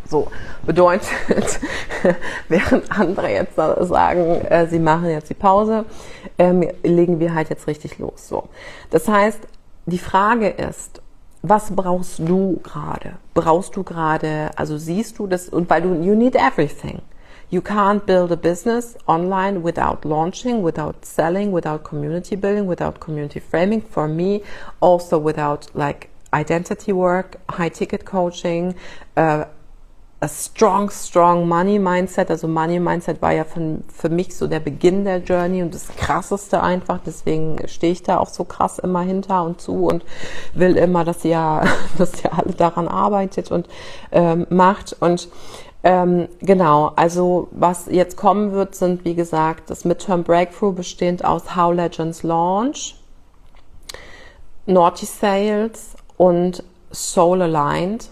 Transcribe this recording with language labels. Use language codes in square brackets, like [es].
[de] So, bedeutet, während andere jetzt sagen, sie machen jetzt die Pause, legen wir halt jetzt richtig los. So, das heißt, die Frage ist, was brauchst du gerade? Brauchst du gerade, also siehst du das, und weil du, [en] you need everything. You can't build a business online without launching, without selling, without community building, without community framing. For me, also without like identity work, high ticket coaching, a strong, strong money mindset. [de] Also money mindset war ja für mich so der Beginn der Journey und das Krasseste einfach. Deswegen stehe ich da auch so krass immer hinter und zu und will immer, dass ihr alle daran arbeitet und macht und genau, also was jetzt kommen wird, sind wie gesagt das Midterm Breakthrough bestehend aus How Legends Launch, Naughty Sales und Soul Aligned.